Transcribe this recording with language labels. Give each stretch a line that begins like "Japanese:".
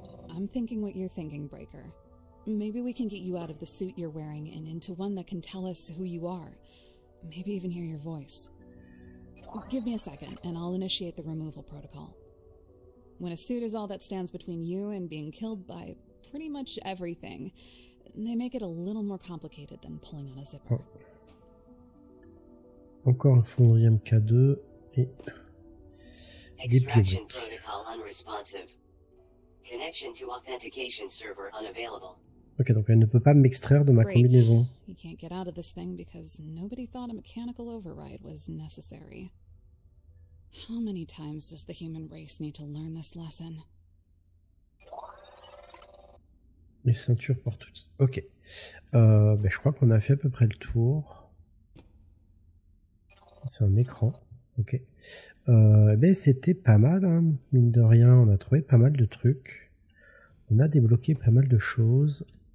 English: I'm thinking what you're thinking, Breaker. Maybe we can get you out of the suit you're wearing and into one that can tell us who you are. Maybe even hear your voice. Give me a second and I'll initiate the removal protocol. When a suit is all that stands between you and being killed by pretty much everything. They make it a little more complicated than pulling on a zipper. Oh.
French: Encore un fonderie MK2 et
English: extraction protocol unresponsive. Connection to authentication server unavailable.
French: Ok, donc elle ne peut pas m'extraire de ma
English: Great.
French: Combinaison.
English: You can't get out of this thing because nobody thought a mechanical override was necessary. How many times does the human race need to learn this lesson?
French: Les ceintures porte-outils. Ok. Ben, je crois qu'on a fait à peu près le tour. C'est un écran. Ok. Ben, c'était pas mal, hein. Mine de rien, on a trouvé pas mal de trucs. On a débloqué pas mal de choses.